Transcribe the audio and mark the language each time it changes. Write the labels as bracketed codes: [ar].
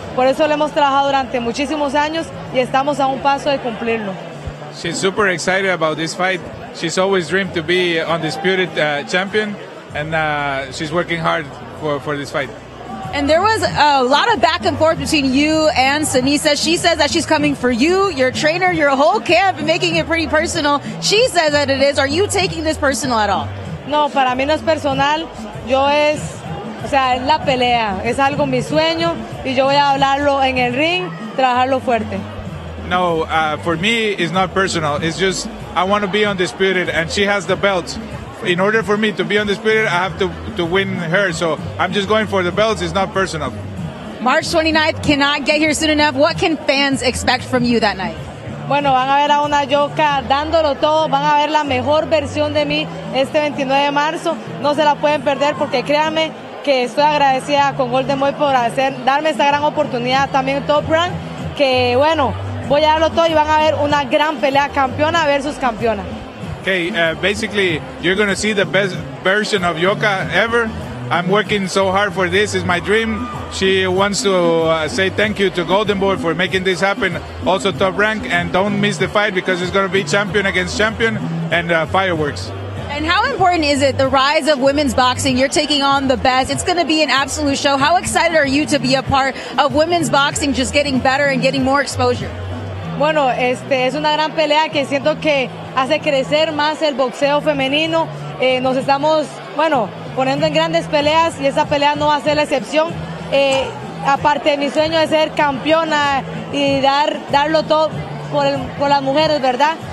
[es] Por eso lo hemos trabajado durante muchísimos años y estamos a un paso de cumplirlo. [en] She's super excited about this fight. She's always dreamed to be undisputed champion, and she's working hard for this fight. And there was a lot of back and forth between you and Sunisa. She says that she's coming for you, your trainer, your whole camp, making it pretty personal. She says that it is. Are you taking this personal at all? [es] No, para mí no es personal. Yo es, o sea, es la pelea. Es algo mi sueño, y yo voy a hablarlo en el ring, trabajarlo fuerte. [en] No, for me, it's not personal. It's just I want to be undisputed, and she has the belt. In order for me to be undisputed, I have to win her. So I'm just going for the belts. It's not personal. March 29th cannot get here soon enough. What can fans expect from you that night? [es] Bueno, van a ver a una Yoka dándolo todo. Van a ver la mejor versión de mí este 29 de marzo. No se la pueden perder porque créanme que estoy agradecida con Golden Boy por darme esta gran oportunidad también Top Rank. Que bueno. Voy a darlo todo y van a ver una gran pelea, campeona versus campeona. [en] Okay, basically, you're going to see the best version of Yoka ever. I'm working so hard for this. It's my dream. She wants to say thank you to Golden Boy for making this happen. Also Top Rank, and don't miss the fight because it's going to be champion against champion and fireworks. And how important is it, the rise of women's boxing? You're taking on the best. It's going to be an absolute show. How excited are you to be a part of women's boxing just getting better and getting more exposure? [es] Bueno, es una gran pelea que siento que hace crecer más el boxeo femenino. Nos estamos, bueno, poniendo en grandes peleas y esa pelea no va a ser la excepción. Aparte, mi sueño es ser campeona y darlo todo por las mujeres, ¿verdad?